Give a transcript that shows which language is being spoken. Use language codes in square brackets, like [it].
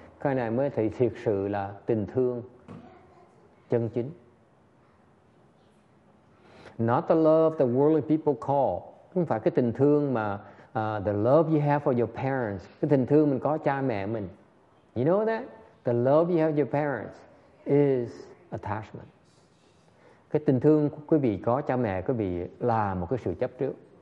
[vi] Cái này mới thực sự là tình thương chân chính. [en] Not the love the worldly people call. [vi] Không phải cái tình thương mà [en] the love you have for your parents. [vi] Cái tình thương mình có cha mẹ mình. [en] You know that? The love you have for your parents is attachment. [vi] Cái tình thương quý vị có cha mẹ quý vị là một cái sự chấp trước.